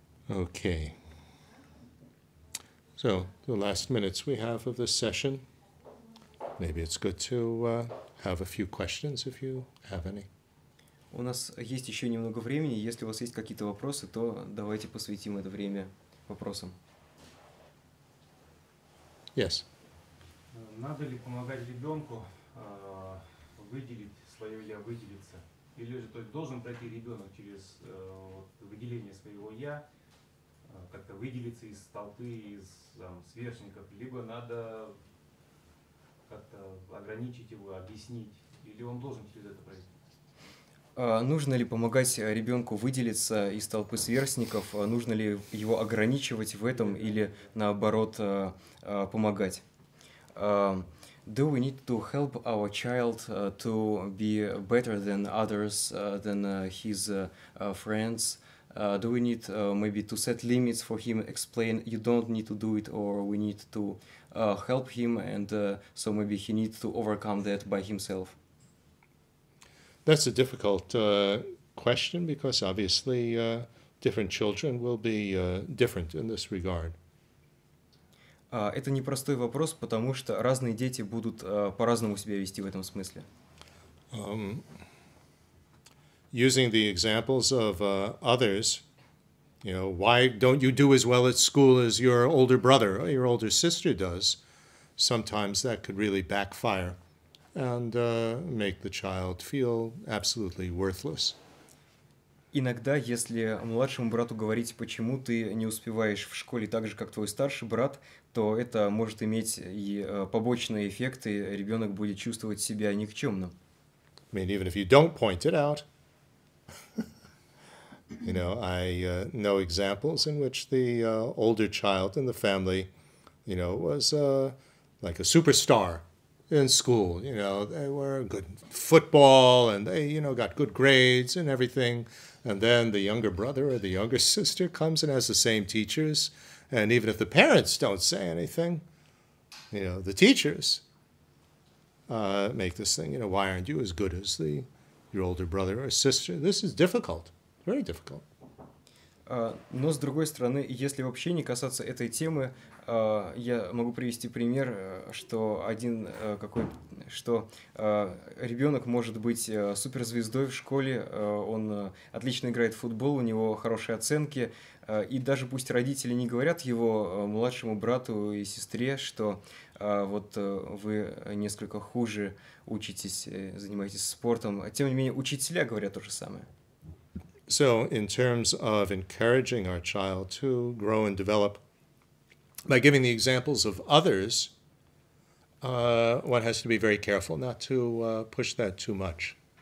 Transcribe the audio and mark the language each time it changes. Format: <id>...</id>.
<en>Okay, so the last minutes we have of this session, maybe it's good to have a few questions if you have any.</en> <ru>У нас есть еще немного времени, если у вас есть какие-то вопросы, то давайте посвятим это время вопросам.</ru> <en>Yes.</en> <ru>Надо ли помогать ребенку выделить свое «я», выделиться? Или же, то есть, должен пройти ребенок через выделение своего «я», как-то выделиться из толпы, из там, сверстников, либо надо как-то ограничить его, объяснить, или он должен через это пройти? Нужно ли помогать ребенку выделиться из толпы сверстников? Нужно ли его ограничивать в этом или, наоборот, помогать?</ru> <en>Do we need to help our child to be better than others, than his friends? Do we need maybe to set limits for him, explain you don't need to do it, or we need to help him, and so maybe he needs to overcome that by himself? That's a difficult question, because obviously different children will be different in this regard.</en> <ru>Это непростой вопрос, потому что разные дети будут по-разному себя вести в этом смысле.</ru> <en>Using the examples of others, you know, why don't you do as well at school as your older brother or your older sister does? Sometimes that could really backfire and make the child feel absolutely worthless.</en> <ru>Иногда, если младшему брату говорить, почему ты не успеваешь в школе так же, как твой старший брат, то это может иметь и побочные эффекты, ребенок будет чувствовать себя никчемным.</ru> <en>I mean, even if you don't point it out, you know, I know examples in which the older child in the family, you know, was like a superstar in school. You know, they were good football and they, you know, got good grades and everything. And then the younger brother or the younger sister comes and has the same teachers. And even if the parents don't say anything, you know, the teachers make this thing, you know, why aren't you as good as your older brother or sister? This is difficult. Very difficult.</en> <ru>Но, с другой стороны, если вообще не касаться этой темы, я могу привести пример, что один какой, что ребенок может быть суперзвездой в школе, он отлично играет в футбол, у него хорошие оценки, и даже пусть родители не говорят его младшему брату и сестре, что вот вы несколько хуже учитесь, занимаетесь спортом, тем не менее учителя говорят то же самое.</ru> <en>So in terms of encouraging our child to grow and develop, by giving the examples of others, one has to be very careful not to push that too much.</en>